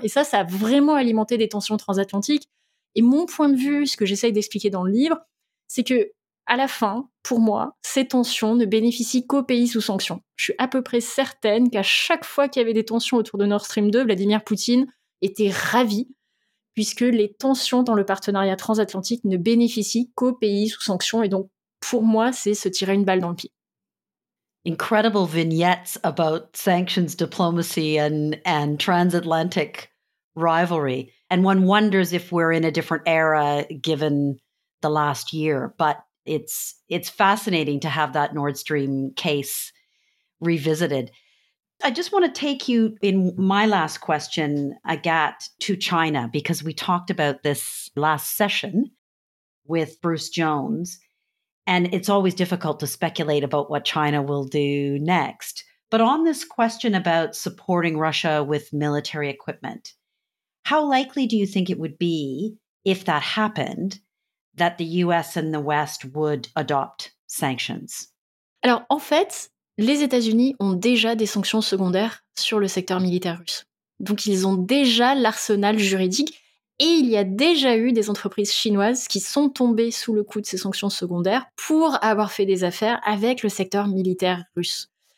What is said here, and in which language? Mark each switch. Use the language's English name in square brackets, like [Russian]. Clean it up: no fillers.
[French] Et ça, ça a vraiment alimenté des tensions transatlantiques. Et mon point de vue, ce que j'essaye d'expliquer dans le livre, c'est que, à la fin, pour moi, ces tensions ne bénéficient qu'aux pays sous sanctions. Je suis à peu près certaine qu'à chaque fois qu'il y avait des tensions autour de Nord Stream 2, Vladimir Poutine était ravi puisque les tensions dans le partenariat transatlantique ne bénéficient qu'aux pays sous sanctions, et donc pour moi, c'est se tirer une balle dans le pied. [English] Incredible vignettes about sanctions, diplomacy and transatlantic rivalry. And one wonders if we're in a different era given the last year, but it's fascinating to have that Nord Stream case revisited. I just want to take you in my last question, Agathe, to China, because we talked about this last session with Bruce Jones, and it's always difficult to speculate about what China will do next. But on this question about supporting Russia with military equipment, how likely do you think it would be, if that happened, that the US and the West would adopt sanctions? [French] Alors, en fait, les États-Unis ont déjà des sanctions secondaires sur le secteur militaire russe. Donc, ils ont déjà l'arsenal juridique et il y a déjà eu des entreprises chinoises qui sont tombées sous le coup de ces sanctions secondaires pour avoir fait des affaires avec le secteur militaire russe.